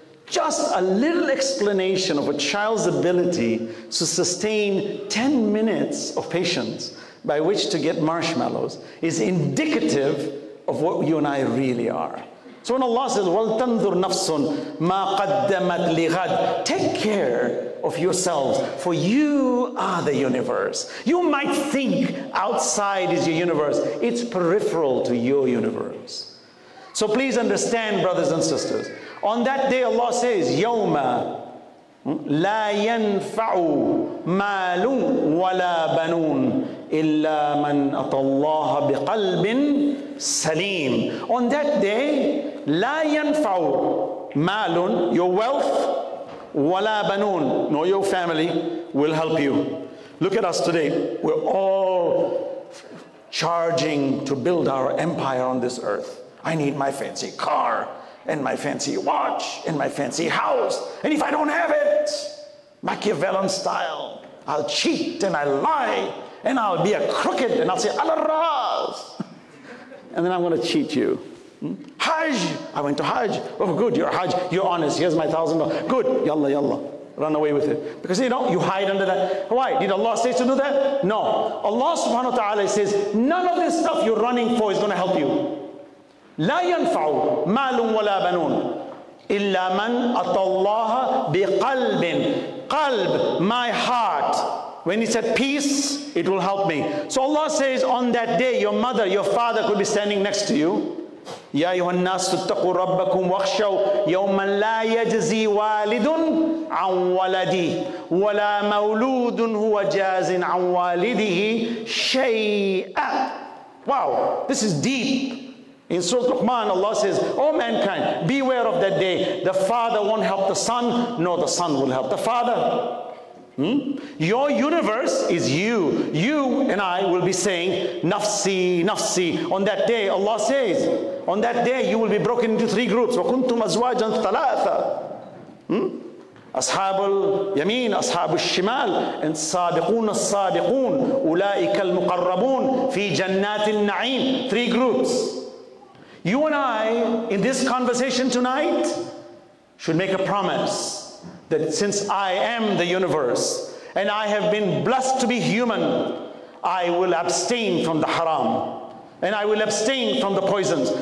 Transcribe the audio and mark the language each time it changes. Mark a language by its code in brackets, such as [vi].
[en] Just a little explanation of a child's ability to sustain 10 minutes of patience by which to get marshmallows is indicative of what you and I really are. So when Allah says, [ar] وَلْتَنْظُرْ نَفْسٌ مَا قَدَّمَتْ لِغَدْ, [en] take care of yourselves, for you are the universe. You might think outside is your universe. It's peripheral to your universe. So please understand, brothers and sisters, on that day Allah says, [ar] يَوْمَ لَا يَنْفَعُ مَالٌ وَلَا بَنُونَ إِلَّا مَنْ أَطَى اللَّهَ بِقَلْبٍ سَلِيمٍ. [en] On that day, [ar] لَا يَنْفَعُ مَالٌ, [en] your wealth, [ar] وَلَا بَنُونَ, [en] nor your family will help you. Look at us today. We're all charging to build our empire on this earth. I need my fancy car, and my fancy watch, and my fancy house. And if I don't have it, Machiavellian style, I'll cheat and I'll lie, and I'll be a crooked, and I'll say, Allah Raz. And then I'm going to cheat you. Hajj, I went to Hajj. Oh, good, you're Hajj, you're honest. Here's my $1,000. Good, yalla, yalla. Run away with it. Because you know, you hide under that. Why? Did Allah say to do that? No. Allah subhanahu wa ta'ala says, none of this stuff you're running for is going to help you. [ar] لا ينفع مال ولا بنون إلا من أتى الله بقلب. [en] قلب, my heart. When it's at peace, it will help me. So Allah says, on that day, your mother, your father could be standing next to you. [ar] يا أيها الناس اتقوا ربكم واخشوا يوما لا يجزي والد عن ولدي ولا مولود هو جاز عن والده شيئا. [en] Wow, this is deep. In Surah Luqman, Allah says, oh mankind, beware of that day. The father won't help the son, nor the son will help the father. Your universe is you. You and I will be saying, nafsi, nafsi. On that day, Allah says, on that day, you will be broken into three groups. [ar] وَكُنْتُمْ أَزْوَاجًا ثَلَاثًا. أَصْحَابُ الْيَمِينَ, أَصْحَابُ الشِّمَالِ, and صَادِقُونَ الصَّادِقُونَ, أُولَٰئِكَ الْمُقَرَّبُونَ فِي جَنَّاتِ النَّعِيمِ. [en] Three groups. You and I, in this conversation tonight, should make a promise that since I am the universe and I have been blessed to be human, I will abstain from the haram and I will abstain from the poisons.